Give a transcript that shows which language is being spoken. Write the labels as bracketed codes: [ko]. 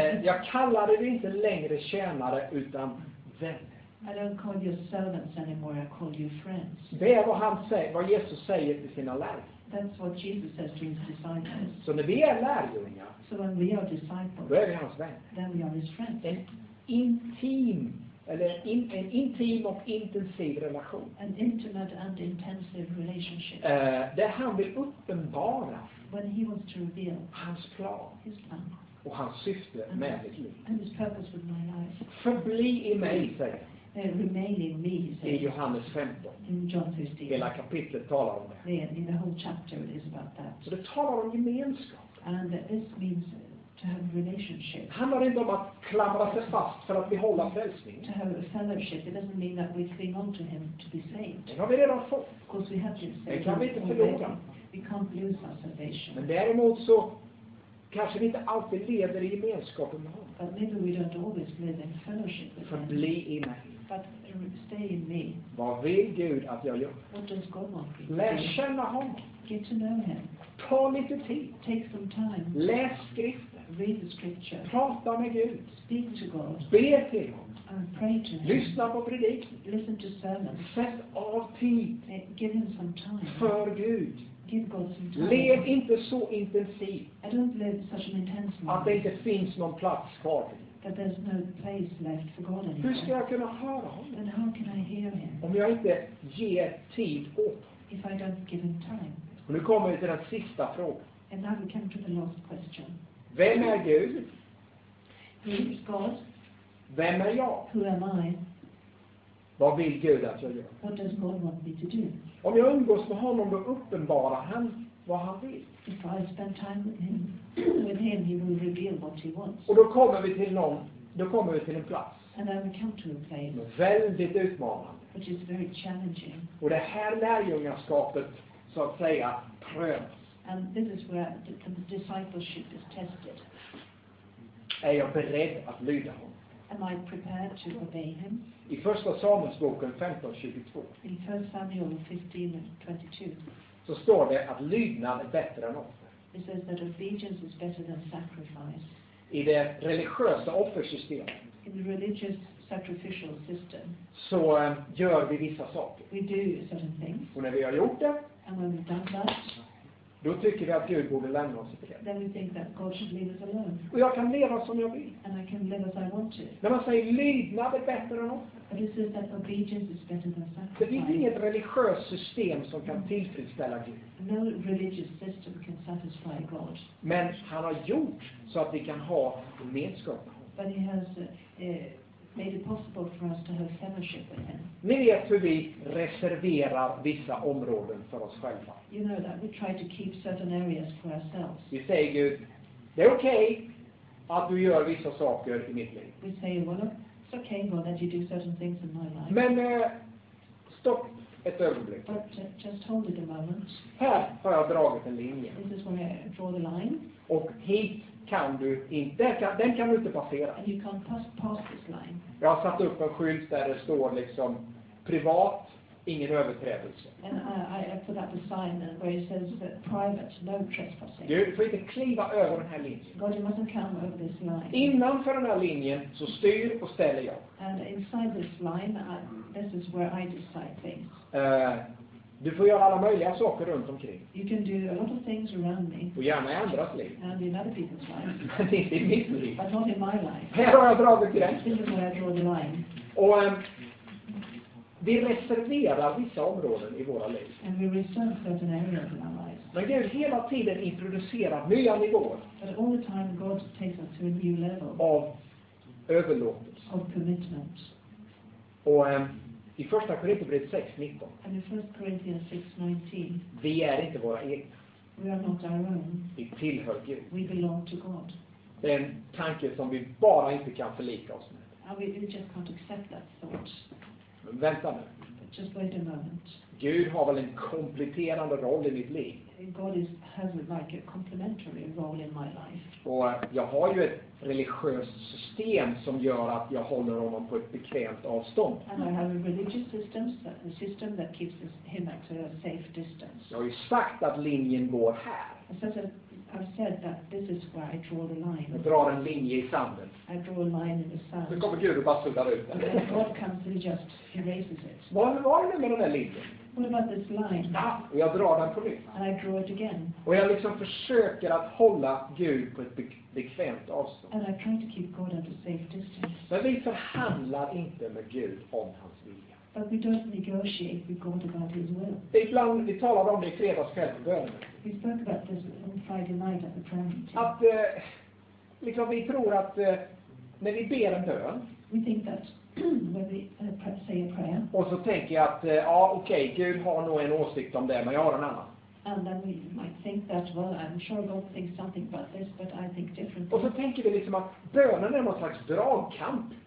[sv] Jag kallade dig inte längre tjänare utan vänner. [en] I don't call you servants anymore, I call you friends. [sv] Det är vad han säger, vad Jesus säger till sina lärjungar. [en] That's what Jesus says to his disciples. [sv] Så när vi är lärjungar. [en] So when we are disciples. [sv] Då är vi hans vänner. [en] Then we are his friends. [sv] En intim, eller en intim och intensiv relation. [en] An intimate and intensive relationship. [sv] Där han vill uppenbara. [en] When he wants to reveal [sv] hans plan, [en] his plan [sv] och hans syfte [en] and [sv] med mitt liv. [en] And his purpose with my life. [sv] Förbli i mig, säger han. [en] Remain in me, he says. [sv] I Johannes 15. [en] In John 15. [sv] Hela kapitlet talar om det. [en] Yeah, in the whole chapter it is about that. [sv] Så det talar om gemenskap. [en] And this means to have a relationship. [sv] Han har inte om att klamra sig fast för att behålla frälsning. [en] To have a fellowship, it doesn't mean that we cling on to him to be saved. [sv] Det har vi redan fått. [en] Because we have been saved. [sv] Det kan vi inte förlora. [en] We can't lose our salvation. [sv] Men däremot så kanske vi inte alltid lever i gemenskapen med honom. [en] But maybe we don't always live in fellowship with him. [sv] Förbli i mig. [en] But stay in me. [sv] Vad vill Gud att jag gör? [en] What does God want me to do? [sv] Lär känna honom. [en] Get to know him. [sv] Ta lite tid. [en] Take some time. [sv] Läs skriften. [en] Read the scripture. [sv] Prata med Gud. [en] Speak to God. [sv] Be till honom. [en] And pray to him. [sv] Lyssna på predik. [en] Listen to sermons. [sv] Sätt av tid. [en] Give him some time. [sv] För Gud. [en] Give God some time. [sv] Lev inte så intensivt. [en] I don't live such an intense life. [sv] Att det inte finns någon plats kvar. [en] That there's no place left for God anymore. [sv] Hur ska jag kunna höra honom? [en] Then how can I hear him? [sv] Om jag inte ger tid åt. [en] If I don't give him time. [sv] Och nu kommer vi till den sista frågan. [en] And now we come to the last question. [sv] Vem är Gud? [en] Who is God? [sv] Vem är jag? [en] Who am I? [sv] Vad vill Gud att jag gör? [en] What does God want me to do? [sv] Om jag umgås med honom då uppenbarar han vad han vill. [en] If I spend time with him. With him, he will reveal what he wants. [sv] Och då kommer vi till någon, då kommer vi till en plats. [en] And then we come to a place. [sv] Väldigt utmanande. [en] Which is very challenging. [sv] Och det här lärjungaskapet, så att säga, prövas. [en] And this is where the discipleship is tested. [sv] Är jag beredd att lyda honom? [en] Am I prepared to obey him? [sv] I första Samuelsboken 15:22. [en] In 1 Samuel 15:22. [sv] Så står det att lydnad är bättre än offer. [en] It says that obedience is better than sacrifice. [sv] I det religiösa offersystemet. [en] In the religious sacrificial system. [sv] Så gör vi vissa saker. [en] We do certain things. [sv] Och när vi har gjort det, [en] and when we've done that, [sv] då tycker vi att Gud borde lämna oss i fred. [en] Then we think that God should leave us alone. [sv] Och jag kan leva som jag vill. [en] And I can live as I want to. [sv] När man säger lydnad är bättre än offer. [en] This is that obedience is better than sacrifice. [sv] Det finns inget religiöst system som kan tillfredsställa Gud. [en] No religious system can satisfy God. [sv] Men han har gjort så att vi kan ha gemenskap. [en] But he has made it possible for us to have fellowship with him. [sv] Ni vet hur vi reserverar vissa områden för oss själva. [en] You know that we try to keep certain areas for ourselves. [sv] Vi säger Gud, det är okej att du gör vissa saker i mitt liv. [en] We say, well, it's okay, God, that you do certain things in my life. [sv] Men stopp ett ögonblick. [en] But just hold it a moment. [sv] Här har jag dragit en linje. [en] This is where I draw the line. [sv] Och hit kan du inte, den kan du inte passera. [en] You can't pass this line. [sv] Jag har satt upp en skylt där det står liksom privat, ingen överträdelse. [en] And I put up a sign where it says that private, no trespassing. [sv] Du får inte kliva över den här linjen. [en] God, you mustn't come over this line. [sv] Innanför den här linjen så styr och ställer jag. [en] And inside this line, this is where I decide things. [sv] Du får göra alla möjliga saker runt omkring. [en] You can do a lot of things around me. [sv] Och gärna i andras liv. [en] And in other people's lives. [sv] Men inte i mitt liv. [en] But not in my life. [sv] Här har jag dragit gränsen. [en] This is where I draw the line. [sv] Och vi reserverar vissa områden i våra liv. [en] And we reserve certain areas in our lives. [sv] Men Gud hela tiden introducerar nya nivåer. [en] But all the time God takes us to a new level. [sv] Av överlåtelse. [en] Of commitment. [sv] Och i första Korintierbrevet 6:19. [en] And in 1 Corinthians 6:19. [sv] Vi är inte våra egna. [en] We are not our own. [sv] Vi tillhör Gud. [en] We belong to God. [sv] Det är en tanke som vi bara inte kan förlika oss med. [en] And we just can't accept that thought. [sv] Men vänta nu. [en] Just wait a moment. [sv] Gud har väl en kompletterande roll i mitt liv. [en] God is has like a complementary role in my life. [sv] Och jag har ju ett religiöst system som gör att jag håller honom på ett bekvämt avstånd. [en] And I have a religious system, a system that keeps him at a safe distance. [sv] Jag har ju sagt att linjen går här. [en] I've said that this is where I draw the line. [sv] Jag drar en linje i sanden. [en] I draw a line in the sand. [sv] Så kommer Gud och bara suddar ut den. [en] And God comes and just erases it. [sv] Vad är med den här linjen? [en] What about this line? [sv] Och jag drar den på nytt. [en] And I draw it again. [sv] Och jag liksom försöker att hålla Gud på ett bekvämt avstånd. [en] And I try to keep God at a safe distance. [sv] Men vi förhandlar inte med Gud om hans vilja. [en] But we don't negotiate with God about his will. [sv] Ibland vi talar om det i fredagskväll på bönen. [en] We spoke about this on Friday night at the prayer meeting. [sv] Att liksom vi tror att när vi ber en bön. [en] We think that when we say a prayer. [sv] Och så tänker jag att ja okej, Gud har nog en åsikt om det, men jag har en annan. [en] And then we might think that, well, I'm sure God thinks something about this, but I think differently. [sv] Och så tänker vi liksom att bönen är någon slags dragkamp.